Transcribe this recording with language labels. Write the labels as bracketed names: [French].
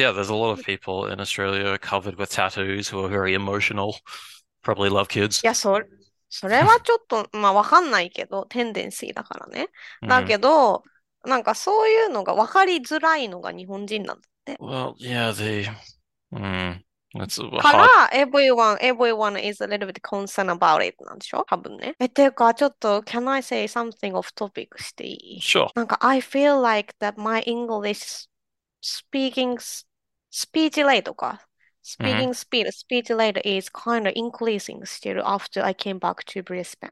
[English] Yeah, there's a lot of people in Australia covered with tattoos who are very emotional, probably love [Japanese] いや、 [English] kids. [Japanese] それはちょっと、まあわかんないけど、テンデンシーだからね。だけど、なんかそういうのがわかりづらいのが日本人なんだって。 [English] Well, yeah, that's [Japanese] から、 [English] hard. everyone is a little bit concerned about it [Japanese] なんでしょ? 多分ね。え、ていうか、ちょっと、 [English] can I say something off topic [Japanese] していい? [English] Sure. なんか、I feel like that my English speaking speech delay [Japanese] とか、 [English] speaking speech delay is kind of increasing still after I came back to Brisbane.